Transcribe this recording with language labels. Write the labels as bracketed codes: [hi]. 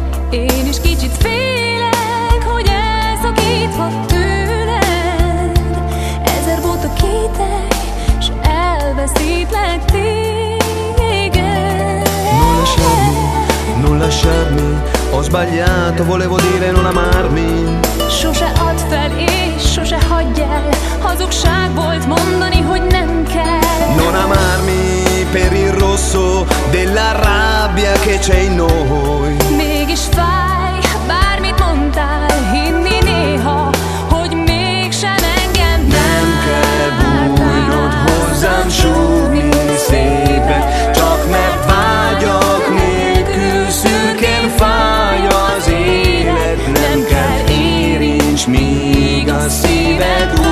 [hu] Én is kicsit félek, hogy elszakítva tőled, ezer volta kitek, s elveszítlek téged. [it] Non lasciarmi, non lasciarmi, ho sbagliato, volevo dire non amarmi. [hu] Sose add fel és sose hagyj el, hazugság volt mondani, hogy nem kell. [it] Non amarmi per il rosso della rabbia che c'è in noi. [hu] Mégis fáj, bármit mondtál, hinni néha, hogy mégsem engem vár. Nem kell bújnod hozzám, súgni szépen, csak mert vágyak nélkül szürkén fáj az élet. Nem kell érincs, míg a szíved